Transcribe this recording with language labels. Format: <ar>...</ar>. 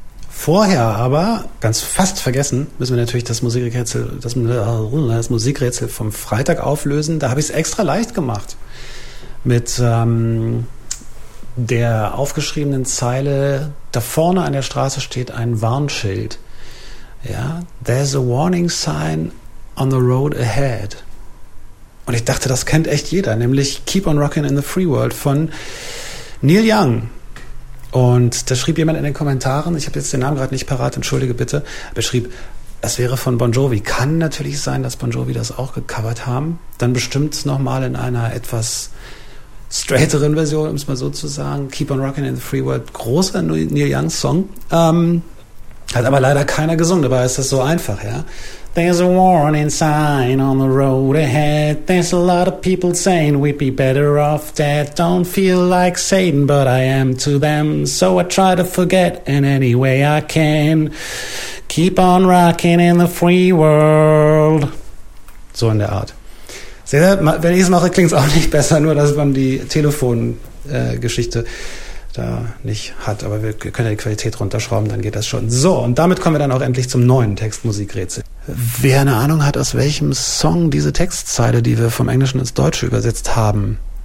<de>Vorher aber, ganz fast vergessen, müssen wir natürlich das Musikrätsel vom Freitag auflösen. Da habe ich es extra leicht gemacht mit der aufgeschriebenen Zeile, da vorne an der Straße steht ein Warnschild.</de> <en>Ja, there's a warning sign on the road ahead.</en> <de>Und ich dachte, das kennt echt jeder, nämlich Keep on Rockin' in the Free World von Neil Young. Und da schrieb jemand in den Kommentaren, ich habe jetzt den Namen gerade nicht parat, entschuldige bitte, aber schrieb, es wäre von Bon Jovi. Kann natürlich sein, dass Bon Jovi das auch gecovert haben. Dann bestimmt nochmal in einer etwas straighteren Version, um es mal so zu sagen, Keep on Rockin' in the Free World, großer Neil Young Song. Hat aber leider keiner gesungen, dabei ist das so einfach, ja.</de> <en>There's a warning sign on the road ahead. There's a lot of people saying we'd be better off dead. Don't feel like Satan, but I am to them. So I try to forget in any way I can. Keep on rocking in the free world.</en> <de>So in der Art. Seht ihr, wenn ich es mache, klingt es auch nicht besser, nur dass man die Telefongeschichte da nicht hat. Aber wir können ja die Qualität runterschrauben, dann geht das schon. So, und damit kommen wir dann auch endlich zum neuen Textmusikrätsel. Wer eine Ahnung hat, aus welchem Song diese Textzeile, die wir vom Englischen ins Deutsche übersetzt haben,</de>